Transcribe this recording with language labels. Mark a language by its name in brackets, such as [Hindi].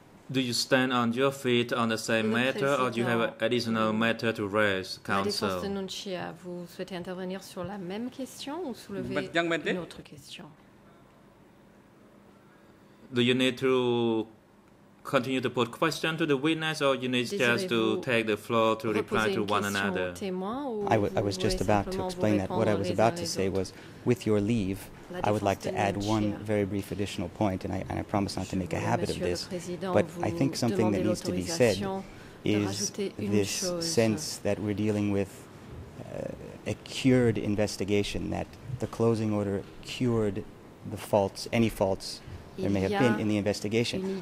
[English] Do you stand on your feet on the same matter or do you have an additional matter to raise, counsel? [French] Vous souhaitez intervenir sur la même question ou soulever une autre question? [English] Do you need to continue to put questions to the witness, or you need just to take the floor to reply to one another? I was just about to explain that. What I was about to say was, with your leave, I would like to add one very brief additional point, and I promise not to make a habit of this, but I think something that needs to be said is this sense that we're dealing with a cured investigation, that the closing order cured the faults, any faults there may have been in the investigation.